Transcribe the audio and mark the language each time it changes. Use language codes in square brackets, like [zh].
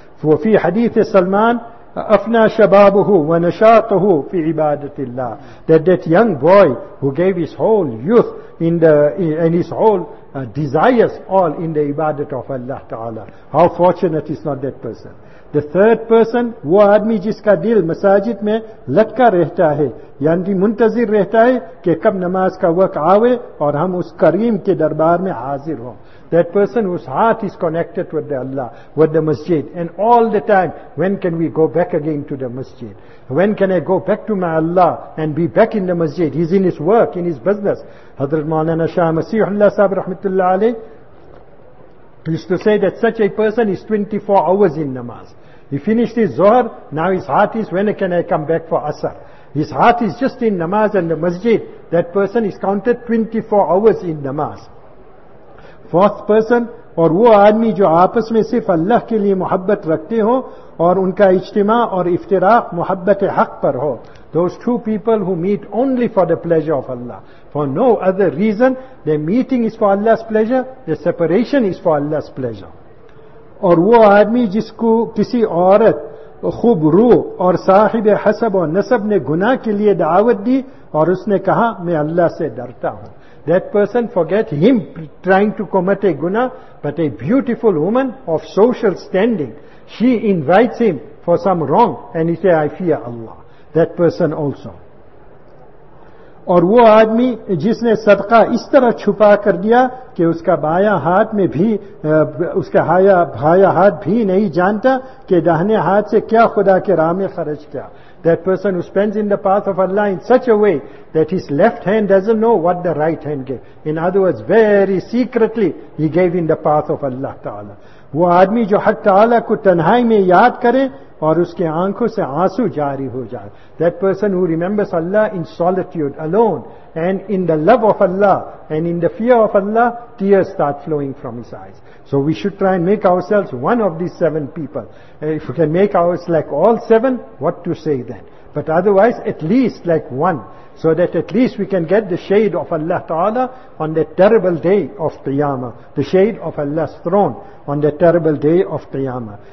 [en] For fi hadith Salman, [ar] أَفْنَا شَبَابُهُ وَنَشَاطُهُ فِي عِبَادَةِ اللَّهِ, [en] that young boy who gave his whole youth and his whole desires all in the ibadat of Allah Ta'ala. How fortunate is not that person. The third person, [ur] وہ آدمی جس کا دل مساجد میں لٹکا رہتا ہے یعنی منتظر رہتا ہے کہ کب نماز کا وقت آوے اور ہم اس کریم کے دربار میں حاضر ہوں. [en] That person whose heart is connected with the Allah, with the masjid, and all the time, when can we go back again to the masjid? When can I go back to my Allah and be back in the masjid? He's in his work, in his business. Hazrat Maulana Shah Masihullah Sahib Rahmatullah Alayh used to say that such a person is 24 hours in namaz. He finished his zuhr, now his heart is, when can I come back for asr? His heart is just in namaz and the masjid. That person is counted 24 hours in namaz. Fourth person, [ur] اور وہ آدمی جو آپس میں صرف اللہ کے لئے محبت رکھتے ہو اور ان کا اجتماع اور افتراق محبت حق پر ہو. [en] Those two people who meet only for the pleasure of Allah. For no other reason, the meeting is for Allah's pleasure, the separation is for Allah's pleasure. [ur] اور وہ آدمی جس کو کسی عورت خوب روح اور صاحب حسب و نسب نے گناہ کے لئے دعوت دی اور اس نے کہا میں اللہ سے ڈرتا ہوں. [en] That person, forget him trying to commit a guna, but a beautiful woman of social standing, she invites him for some wrong and he says, I fear Allah. That person also. [ur] اور وہ آدمی جس نے صدقہ اس طرح چھپا کر دیا کہ اس کا بایاں ہاتھ میں بھی اس کا بھایا ہاتھ بھی نہیں جانتا کہ دہنے ہاتھ سے کیا خدا کے راہ میں خرچ کیا. [en] That person who spends in the path of Allah in such a way that his left hand doesn't know what the right hand gave. In other words, very secretly he gave in the path of Allah Ta'ala. [ur] وہ آدمی جو حق تعالیٰ کو تنہائی میں یاد کرے اور اس کے آنکھوں سے آنسو جاری ہو جائے. [en] That person who remembers Allah in solitude alone and in the love of Allah and in the fear of Allah, tears start flowing from his eyes. So we should try and make ourselves one of these seven people. If we can make ours like all seven, what to say then? But otherwise, at least like one, so that at least we can get the shade of Allah Ta'ala on that terrible day of Qiyamah, the shade of Allah's throne on that terrible day of Qiyamah.